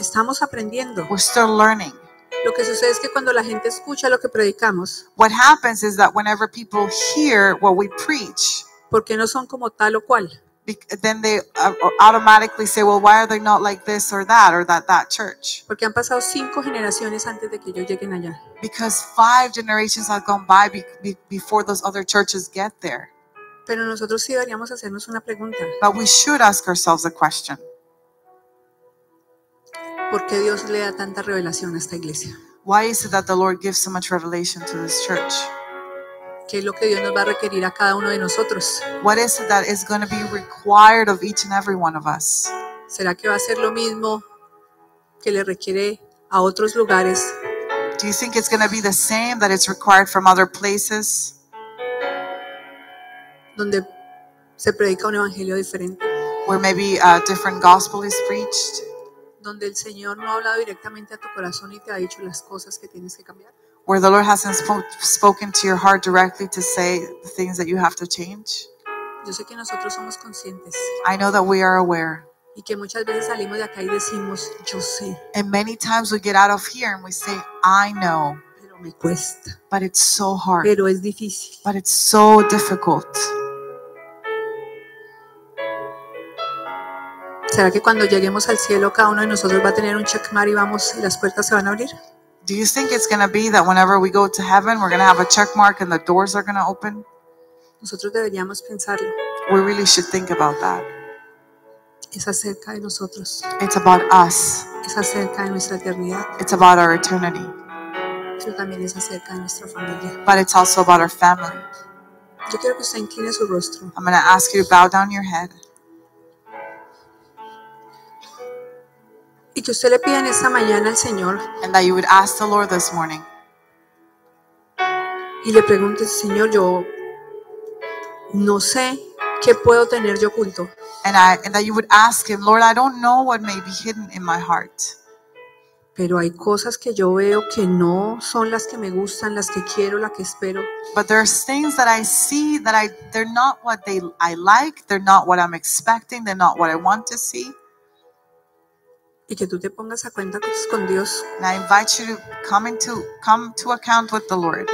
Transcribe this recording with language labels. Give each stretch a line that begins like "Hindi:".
Spanish: Estamos aprendiendo.
English: We're still learning.
Spanish: Lo que sucede es que cuando la gente escucha lo que predicamos,
English: what happens is that whenever people hear what we preach,
Spanish: porque no son como tal o cual,
English: then they automatically say, well, why are they not like this or that church?
Spanish: Porque han pasado 5 generaciones antes de que ellos lleguen allá.
English: Because 5 generations have gone by before those other churches get there.
Spanish: Pero nosotros sí deberíamos hacernos una pregunta.
English: But we should ask ourselves a question.
Spanish: ¿Por qué Dios le da tanta revelación a esta iglesia?
English: Why is it that the Lord gives so much revelation to this church?
Spanish: ¿Qué es lo que Dios nos va a requerir a cada uno de nosotros?
English: What is it that is going to be required of each and every one of us?
Spanish: ¿Será que va a ser lo mismo que le requiere a otros lugares?
English: Do you think it's going to be the same that it's required from other places?
Spanish: Donde se predica un evangelio diferente.
English: Where maybe a different gospel is preached.
Spanish: Donde el Señor no ha hablado directamente a tu corazón y te ha dicho las cosas que tienes que cambiar.
English: Where the Lord hasn't spoken to your heart directly to say the things that you have to change.
Spanish: Yo sé que nosotros somos conscientes.
English: I know that we are aware.
Spanish: Y que muchas veces salimos de acá y decimos, yo sé.
English: And many times we get out of here and we say, I know.
Spanish: Pero me cuesta.
English: But it's so hard.
Spanish: Pero es difícil.
English: But it's so difficult.
Spanish: ¿Sabes ¿Será que cuando lleguemos al cielo cada uno de nosotros va a tener un checkmar y vamos y las puertas se van a abrir?
English: Do you think it's going to be that whenever we go to heaven we're going to have a checkmark and the doors are going to open?
Spanish: Nosotros deberíamos pensarlo.
English: We really should think about that.
Spanish: Es acerca de nosotros.
English: It's about us.
Spanish: Es acerca de nuestra eternidad.
English: It's about our eternity.
Spanish: Pero también es acerca de nuestra familia.
English: But it's also about our family.
Spanish: Yo quiero que usted incline su rostro.
English: I'm going to ask you to bow down your head.
Spanish: Y que usted le pida en esta mañana al Señor.
English: And that you would ask the Lord this morning.
Spanish: Y le pregunte, Señor, yo no sé qué puedo tener yo oculto.
English: And that you would ask him, Lord, I don't know what may be hidden in my heart.
Spanish: Pero hay cosas que yo veo que no son las que me gustan, las que quiero, las que espero.
English: But there are things that I see that they're not what I like, they're not what I'm expecting, they're not what I want to see.
Spanish: Y que tú te pongas a cuenta con Dios.
English: And I invite you to come to account with the Lord.